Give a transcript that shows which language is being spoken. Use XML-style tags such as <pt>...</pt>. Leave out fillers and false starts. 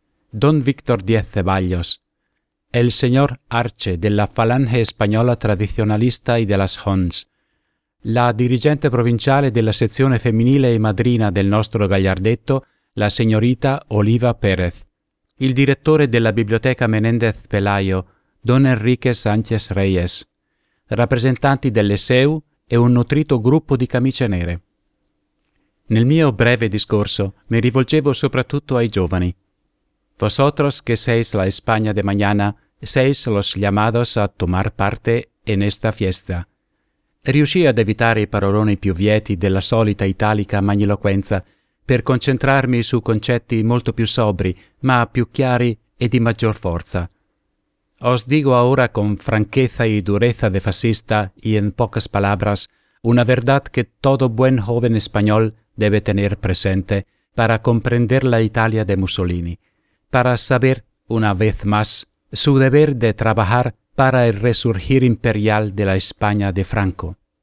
<it>Don Víctor Diez Ceballos, el señor Arce de la Falange Española Tradicionalista y de las Hons, la dirigente provinciale della sezione femminile e madrina del nostro Gagliardetto, la signorita Oliva Pérez, il direttore della Biblioteca Menéndez Pelayo, Don Enrique Sánchez Reyes, rappresentanti dell'ESEU e un nutrito gruppo di camicie nere. Nel mio breve discorso mi rivolgevo soprattutto ai giovani.</it> <es>Vosotros que seis la España de mañana, seis los llamados a tomar parte en esta fiesta.</es> <it>Riuscii ad evitare i paroloni più vieti della solita italica magniloquenza per concentrarmi su concetti molto più sobri, ma più chiari e di maggior forza.</it> <es>Os digo ahora con franqueza y dureza de fascista y en pocas palabras una verdad que todo buen joven español debe tener presente para comprender la Italia de Mussolini, para saber, una vez más, su deber de trabajar para el resurgir imperial de la España de Franco.</es>